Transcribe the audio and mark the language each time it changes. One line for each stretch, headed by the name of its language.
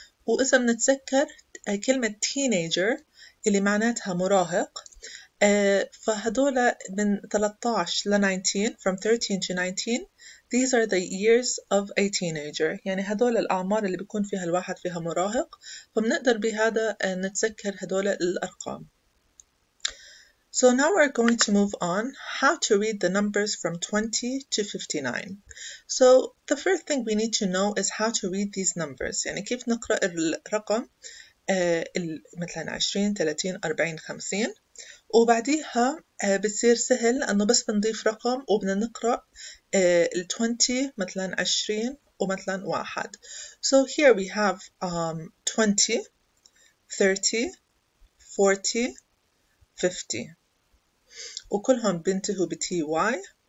Arabic: وإذا بنتذكر كلمة
English: teenager
Arabic: اللي معناتها مراهق فهدول من 13 ل 19
English: from 13 to 19 these are the years of a teenager.
Arabic: يعني هدول الأعمار اللي بيكون فيها الواحد فيها مراهق فبنقدر بهذا نتذكر هدول الأرقام.
English: So now we're going to move on how to read the numbers from 20 to 59. So the first thing we need to know is how to read these numbers.
Arabic: يعني كيف نقرأ الرقم مثلا 20, 30, 40, 50 وبعديها بتصير سهل لأنه بس بنضيف رقم وبدنا نقرأ ال 20 مثلا 20 ومثلا 1.
English: So here we have 20, 30, 40, 50
Arabic: وكلهم بينتهوا ب تي واي.